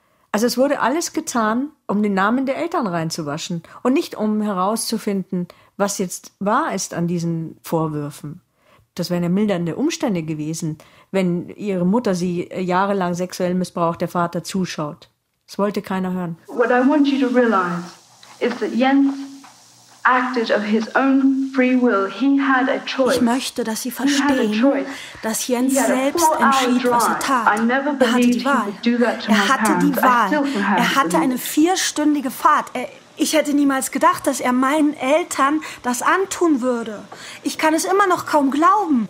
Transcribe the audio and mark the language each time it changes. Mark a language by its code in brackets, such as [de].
[de] Also es wurde alles getan, um den Namen der Eltern reinzuwaschen und nicht um herauszufinden, was jetzt wahr ist an diesen Vorwürfen. Das wären ja mildernde Umstände gewesen, wenn ihre Mutter sie jahrelang sexuell missbraucht, der Vater zuschaut. Das wollte keiner hören. [en] What I want you to realize is that Jens acted of his own free will. He had a choice. [de] Ich möchte, dass Sie verstehen, dass Jens selbst entschied, was er tat. Er hatte die Wahl. Er hatte die Wahl. Er hatte eine vierstündige Fahrt. Ich hätte niemals gedacht, dass er meinen Eltern das antun würde. Ich kann es immer noch kaum glauben.